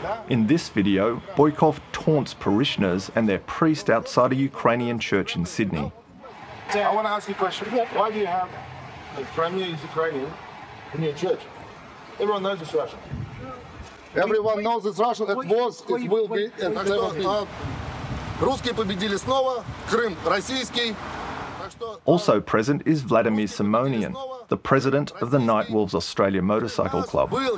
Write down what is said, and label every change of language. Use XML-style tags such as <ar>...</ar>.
<en>In this video, Boykov taunts parishioners and their priest outside a Ukrainian church in Sydney. I want to ask you a question. Why do you have a Crimea is Ukrainian in your church? Everyone knows it's Russian. Everyone knows it's Russian. It was, it will be, and it never will be.</en> <ru>Русские победили снова, Крым российский.</ru> <en>Also present is Vladimir Simonian, the president of the Night Wolves Australia Motorcycle Club.</en>